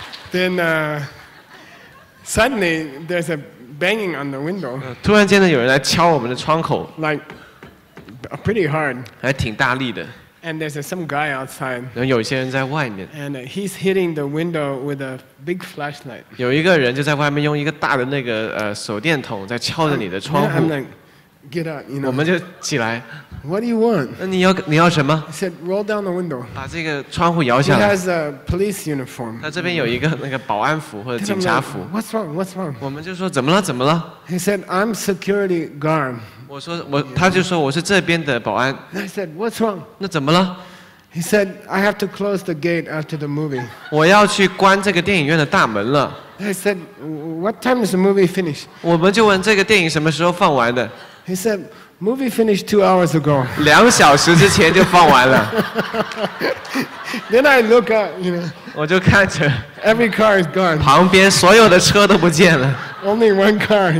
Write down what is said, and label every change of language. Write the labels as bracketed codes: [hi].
[en] Then suddenly there's a banging on the window. [zh] 突然间呢，有人来敲我们的窗口。 [en] Like pretty hard. [zh] 还挺大力的。 [en] And there's some guy outside. [zh] 然后有些人在外面。 [en] And he's hitting the window with a big flashlight. [zh] 有一个人就在外面用一个大的那个手电筒在敲着你的窗户。 [en] Get up, you know. [zh] 我们就起来。 [en] What do you want? [zh] 你要什么？ [en] He said, roll down the window. [zh] 把这个窗户摇下来。 [en] He has a police uniform. [zh] 他这边有一个那个保安服或者警察服。 [en] Like, What's wrong? [zh] 我们就说怎么了怎么了？ [en] He said, I'm security guard. [zh] 他就说我是这边的保安。 [en] I said, what's wrong? [zh] 那怎么了？ [en] He said, I have to close the gate after the movie. [zh] 我要去关这个电影院的大门了。 [en] I said, what time is the movie finish? [zh] 我们就问这个电影什么时候放完的。 [en] He said, "Movie finished 2 hours ago." [zh] 两小时之前就放完了。 [en] Then I look up, you know. [zh] 我就看着。 [en] Every car is gone. [zh] 旁边所有的车都不见了。 [en] Only one car.